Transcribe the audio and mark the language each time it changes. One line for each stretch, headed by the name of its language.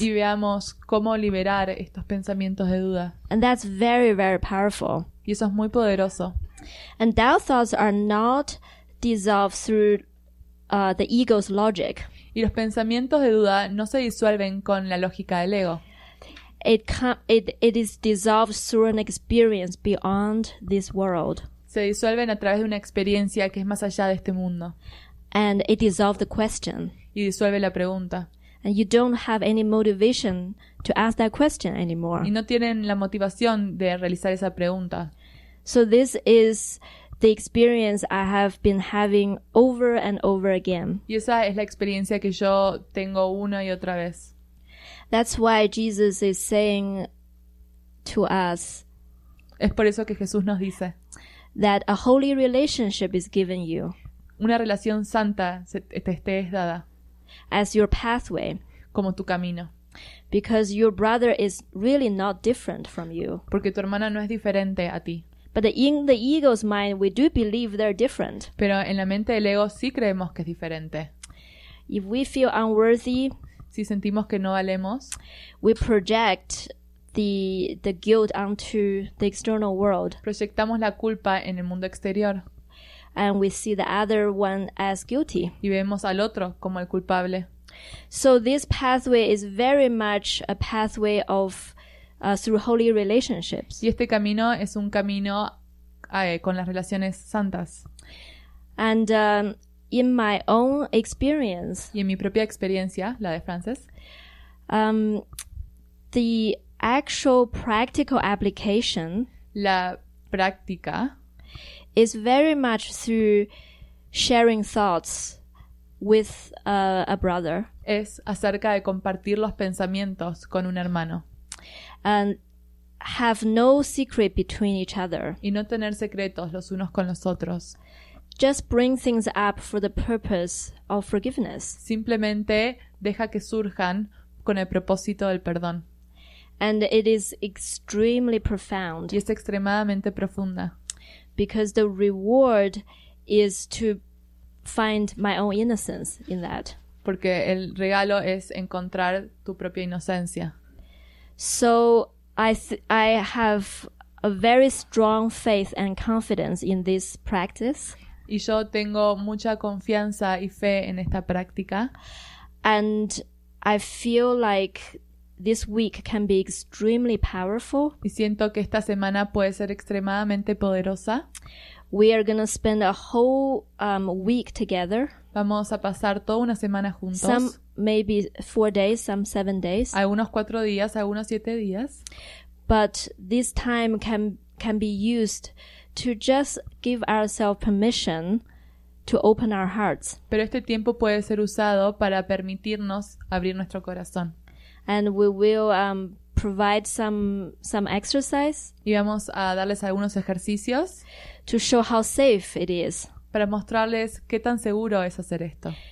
Spanish: Y veamos cómo liberar estos pensamientos de duda.
English: And that's very, very powerful.
Spanish: Y eso es muy poderoso.
English: And dark thoughts are not dissolved through the ego's logic.
Spanish: Y los pensamientos de duda no se disuelven con la lógica del ego.
English: It is dissolved through an experience beyond this world.
Spanish: Se disuelven a través de una experiencia que es más allá de este mundo.
English: And it dissolves the question.
Spanish: Y disuelve la pregunta.
English: And you don't have any motivation to ask that question anymore.
Spanish: Y no tienen la motivación de realizar esa pregunta.
English: So this is the experience I have been having over and over again.
Spanish: Y esa es la experiencia que yo tengo una y otra vez.
English: That's why Jesus is saying to us.
Spanish: Es por eso que Jesús nos dice.
English: That a holy relationship is given you.
Spanish: Una relación santa te es dada.
English: As your pathway.
Spanish: Como tu camino.
English: Because your brother is really not different from you.
Spanish: Porque tu hermana no es diferente a ti.
English: But in the ego's mind, we do believe they're different.
Spanish: Pero en la mente del ego sí creemos que es diferente.
English: If we feel unworthy,
Spanish: si sentimos que no valemos,
English: we project the guilt onto the external world.
Spanish: Proyectamos la culpa en el mundo exterior.
English: And we see the other one as guilty.
Spanish: Y vemos al otro como el culpable.
English: So this pathway is very much a pathway of through holy relationships.
Spanish: Y este camino es un camino con las relaciones santas.
English: And in my own experience.
Spanish: Y en mi propia experiencia, la de Frances.
English: The actual practical application.
Spanish: la práctica.
English: It's very much through sharing thoughts with a brother.
Spanish: Es acerca de compartir los pensamientos con un hermano.
English: And have no secret between each other.
Spanish: Y no tener secretos los unos con los otros.
English: Just bring things up for the purpose of forgiveness.
Spanish: Simplemente deja que surjan con el propósito del perdón.
English: And it is extremely profound.
Spanish: Y es extremadamente profunda.
English: Because the reward is to find my own innocence in that.
Spanish: Porque el regalo es encontrar tu propia inocencia.
English: So I have a very strong faith and confidence in this practice.
Spanish: Y yo tengo mucha confianza y fe en esta práctica.
English: And I feel like this week can be extremely powerful.
Spanish: Y siento que esta semana puede ser extremadamente poderosa.
English: We are going to spend a whole week together.
Spanish: Vamos a pasar toda una semana juntos.
English: Some maybe 4 days, some 7 days.
Spanish: Algunos 4 días, algunos 7 días.
English: But this time can be used to just give ourselves permission to open our hearts.
Spanish: Pero este tiempo puede ser usado para permitirnos abrir nuestro corazón.
English: And we will provide some exercise.
Spanish: Y vamos a darles algunos ejercicios.
English: To show how safe it is.
Spanish: Para mostrarles qué tan seguro es hacer esto.